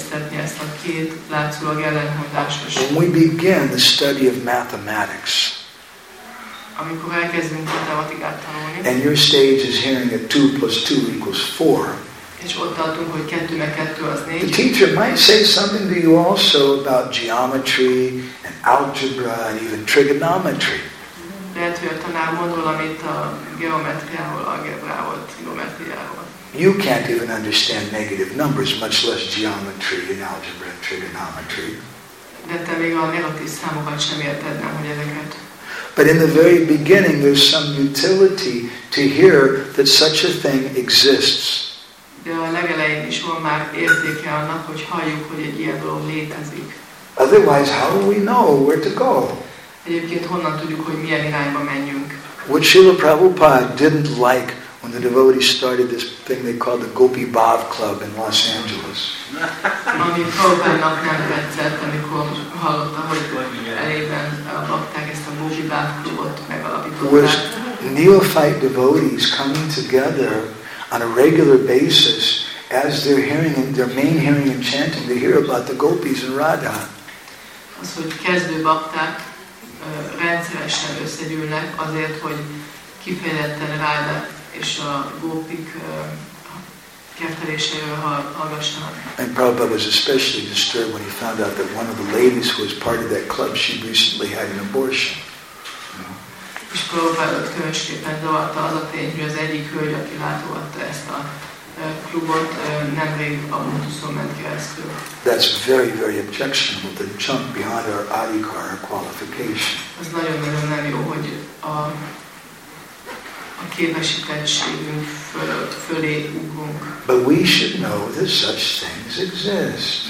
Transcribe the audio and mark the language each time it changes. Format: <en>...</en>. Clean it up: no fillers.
<en>When we begin the study of mathematics, and your stage is hearing that 2 plus 2 equals 4,</en> <hu>és ott tartunk, hogy 2 meg 2 az 4.</hu> <en>The teacher might say something to you also about geometry and algebra and even trigonometry.</en> <hu>Lehet, hogy a tanár mond valamit a geometriáról, algebráról, trigonometriáról.</hu> <en>You can't even understand negative numbers, much less geometry and algebra and trigonometry.</en> <hu>De te még a negatív számokat sem érted, nem, hogy ezeket.</hu> <en>But in the very beginning, there's some utility to hear that such a thing exists.</en> <hu>De a legelején is van már értéke annak, hogy halljuk, hogy egy ilyen dolog létezik.</hu> <en>Otherwise, how do we know where to go?</en> <hu>Egyébként honnan tudjuk, hogy milyen irányba menjünk?</hu> <en>What Srila Prabhupada didn't like when the devotees started this thing they called the Gopi Bhav Club in Los Angeles.</en> <hu>Ami Prabhupádnak nem tetszett, amikor hallotta, hogy elében adták ezt a Gopi Bhav Clubot megalapították.</hu> <en>Neophyte devotees coming together on a regular basis as they're hearing in their main hearing and chanting to hear about the gopis and Radha.</en> <hu>Az, hogy kezdő bakták rendszeresen összegyűlnek azért, hogy kifejezetten Radha és a gopik kertelésével hallgassanak.</hu> <en>And Prabhupada was especially disturbed when he found out that one of the ladies who was part of that club, she recently had an abortion.</en> <hu>És Prabhupádot különösképpen zavarta az a tény, hogy az egyik hölgy, aki látogatta ezt a klubot, nemrég abortuszon ment keresztül.</hu> <en>That's very, very objectionable, the chunk behind our adhikar, our qualification.</en> <hu>Ez nagyon-nagyon nem jó, hogy a képesítettségünk fölé ugrunk.</hu> <en>But we should know that such things exist.</en>